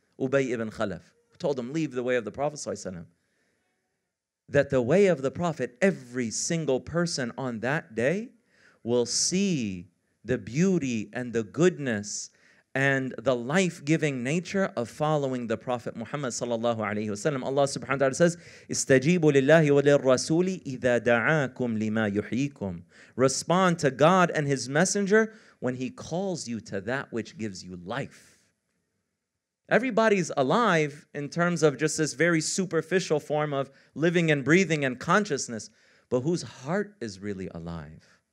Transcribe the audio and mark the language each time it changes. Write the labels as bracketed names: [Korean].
[English] Ubay ibn Khalaf told him, leave the way of the Prophet Sallallahu Alaihi Wasallam. That the way of the Prophet, every single person on that day will see the beauty and the goodness and the life-giving nature of following the Prophet Muhammad sallallahu alayhi wasallam. [Arabic] Allah subhanahu wa ta'ala says, استجيبوا لله وللرسول إذا دعاكم لما يحييكم. [English] Respond to God and His Messenger when He calls you to that which gives you life. Everybody's alive in terms of just this very superficial form of living and breathing and consciousness, but whose heart is really alive?